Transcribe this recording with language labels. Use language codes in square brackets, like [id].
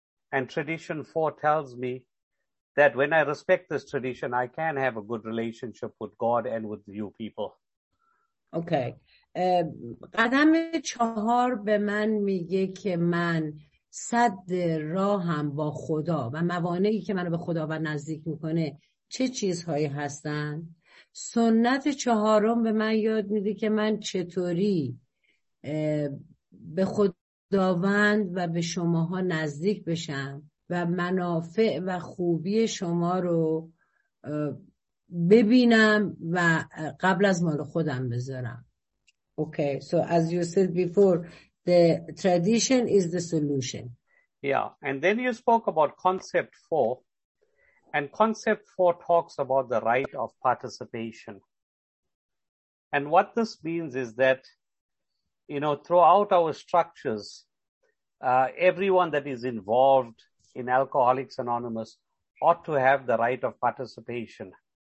[en] And tradition 4 tells me that when I respect this tradition, I can have a good relationship with God and with you people. Okay. [fa] قدم چهار به من میگه که من صد راهم با خدا و موانعی که منو به خدا و نزدیک میکنه چه چیزهایی هستن. سنت چهارم به من یاد میده که من چطوری به خداوند و به شماها نزدیک بشم و منافع و خوبی شما رو ببینم و قبل از مال خودم بذارم. [en] Okay, so as you said before, the tradition is the solution. Yeah, and then you spoke about concept 4, and concept 4 talks about the right of participation. And what this means is that, you know, throughout our structures, everyone that is involved in Alcoholics Anonymous ought to have the right of participation.